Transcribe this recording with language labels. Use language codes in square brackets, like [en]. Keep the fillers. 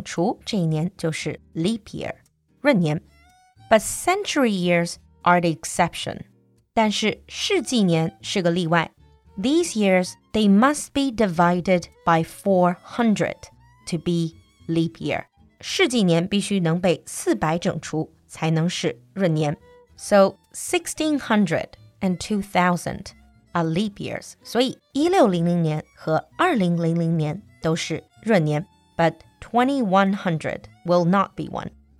[zh] 年数的后两位能够被四整除，这一年就是 [en] leap year But century years are the exception. [zh] 但是世纪年是个例外。 [en] These years they must be divided by 400 to be leap year. [zh] 世纪年必须能被四百整除才能是闰年。 [en] So 1600 and 2000 are leap years. [zh] 所以一六零零年和二零零零年都是闰年， [en] but 2100 will not be one.